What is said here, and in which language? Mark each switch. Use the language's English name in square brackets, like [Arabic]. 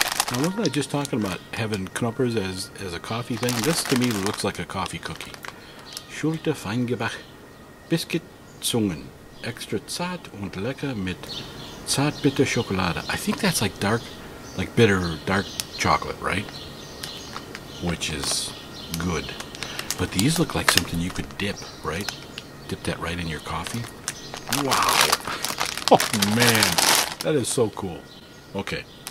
[English] Now, wasn't I just talking about having Knoppers as a coffee thing? This to me looks like a coffee cookie. [German] Schulte Feingebach Biscuitzungen. Extra zart und lecker mit zartbitter Schokolade. [English] I think that's like bitter dark chocolate, right? Which is good. But these look like something you could dip, right? Dip that right in your coffee. Wow. Oh, man. That is so cool. Okay.